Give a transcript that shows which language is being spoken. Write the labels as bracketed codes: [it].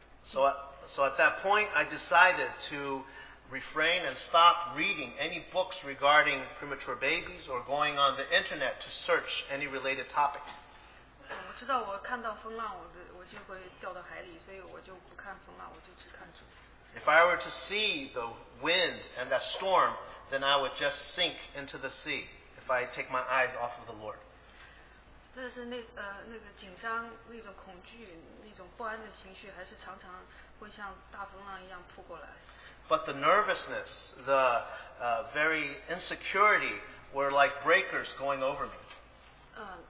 [en] So at that point, I decided to refrain and stop reading any books regarding premature babies or going on the internet to search any related topics. [zh] 我知道我看到风浪，我就会掉到海里，所以我就不看风浪，我就只看主。 [en] If I were to see the wind and that storm, then I would just sink into the sea if I take my eyes off of the Lord. [zh] 但是那个紧张、那种恐惧、那种不安的情绪，还是常常会像大风浪一样扑过来。 [en] But the nervousness, the very insecurity were like breakers going over me.